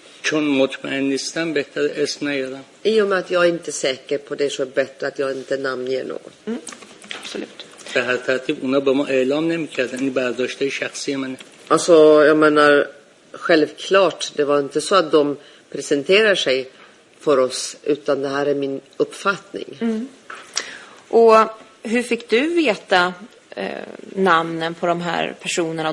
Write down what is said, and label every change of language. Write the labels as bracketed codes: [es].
[fa] چون مطمئن نیستم بهتر اسم نیارم. [sv] I och med att jag inte är säker på det så är det bättre att jag inte namnger någon. Absolut. [fa] به هر ترتیب اونا به ما اعلام نمی‌کردن. این برداشته شخصی منه. [sv] Alltså, jag menar, självklart, det var inte så att de presenterar sig för oss, utan det här är min uppfattning. Mm. Och hur fick du veta namnen på de här personerna?